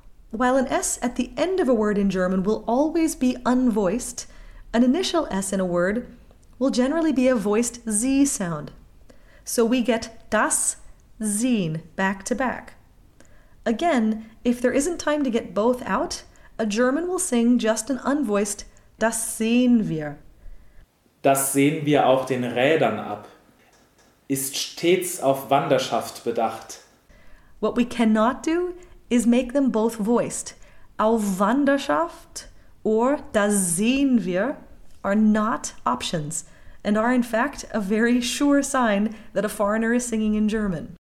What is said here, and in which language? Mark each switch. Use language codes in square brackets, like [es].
[en] While an S at the end of a word in German will always be unvoiced, an initial S in a word will generally be a voiced Z sound. So we get [de] das sehen [en] back to back. Again, if there isn't time to get both out, a German will sing just an unvoiced [de] das sehen wir. Das sehen wir auch den Rädern ab. Ist stets auf Wanderschaft bedacht. [en] What we cannot do is make them both voiced. [de] Auf Wanderschaft [en] or [de] das sehen wir [en] are not options and are in fact a very sure sign that a foreigner is singing in German.